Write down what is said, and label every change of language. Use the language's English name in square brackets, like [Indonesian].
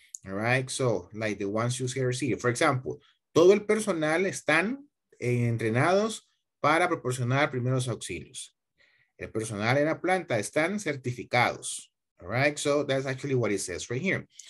[English] All right, so like the ones you see here. For example, [Spanish] todo el personal están entrenados para proporcionar primeros auxilios. El personal en la planta están certificados. [English] All right, so that's actually what it says right here.